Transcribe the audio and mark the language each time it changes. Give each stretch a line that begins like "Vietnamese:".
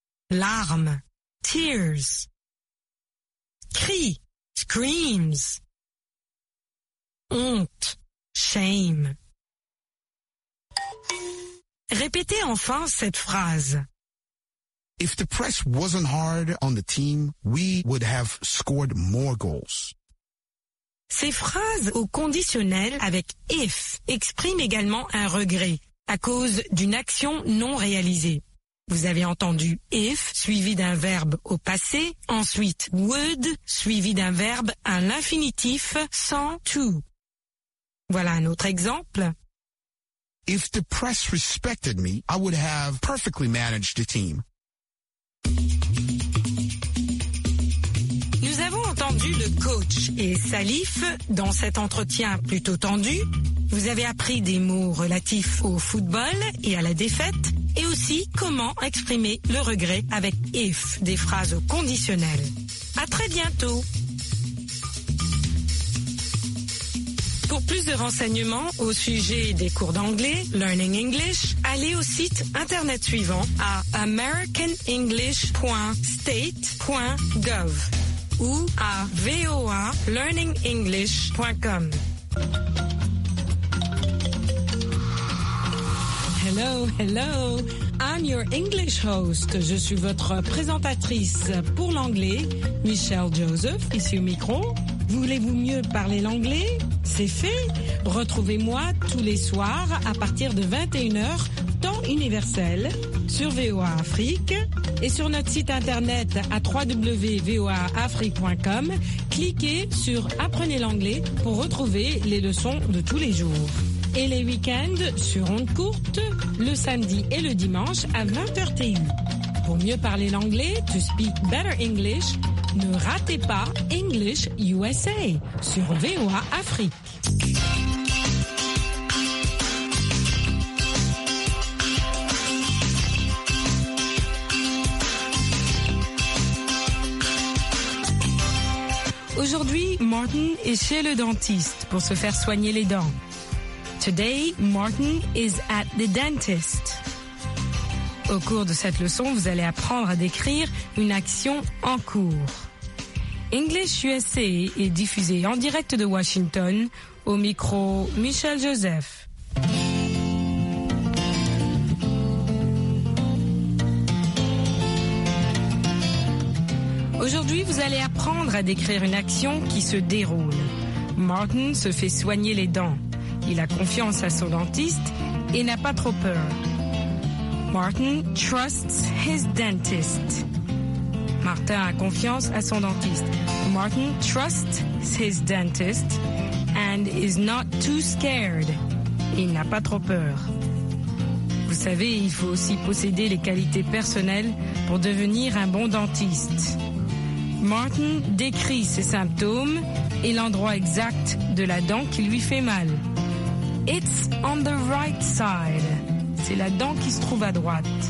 French: Larmes, tears. Cris, screams. Honte, shame. Répétez enfin cette phrase.
English: If the press wasn't hard on the team, we would have scored more goals.
French: Ces phrases au conditionnel avec if expriment également un regret à cause d'une action non réalisée. Vous avez entendu if suivi d'un verbe au passé, ensuite would suivi d'un verbe à l'infinitif sans to. Voilà un autre exemple.
English: If the press respected me, I would have perfectly managed the team.
French: Nous avons entendu le coach et Salif dans cet entretien plutôt tendu. Vous avez appris des mots relatifs au football et à la défaite et aussi comment exprimer le regret avec if, des phrases au conditionnel. À très bientôt. Pour plus de renseignements au sujet des cours d'anglais, Learning English, allez au site internet suivant à americanenglish.state.gov ou à voalearningenglish.com.
English: Hello, hello, I'm your English host.
French: Je suis votre présentatrice pour l'anglais, Michelle Joseph, ici au micro. Voulez-vous mieux parler l'anglais? C'est fait! Retrouvez-moi tous les soirs à partir de 21h, temps universel, sur VOA Afrique et sur notre site internet à www.voaafrique.com. Cliquez sur Apprenez l'anglais pour retrouver les leçons de tous les jours. Et les week-ends sur ondes courtes, le samedi et le dimanche à 20h TU. Pour mieux parler l'anglais,
English: to speak better English,
French: ne ratez pas English USA sur VOA Afrique. Aujourd'hui, Martin est chez le dentiste pour se faire soigner les dents.
English: Today, Martin is at the dentist.
French: Au cours de cette leçon, vous allez apprendre à décrire une action en cours. English USA est diffusé en direct de Washington au micro Michelle Joseph. Aujourd'hui, vous allez apprendre à décrire une action qui se déroule. Martin se fait soigner les dents. Il a confiance à son dentiste et n'a pas trop peur.
English: Martin trusts his dentist.
French: Martin a confiance à son dentiste.
English: Martin trusts his dentist and is not too scared.
French: Il n'a pas trop peur. Vous savez, il faut aussi posséder les qualités personnelles pour devenir un bon dentiste. Martin décrit ses symptômes et l'endroit exact de la dent qui lui fait mal.
English: It's on the right side.
French: C'est la dent qui se trouve à droite.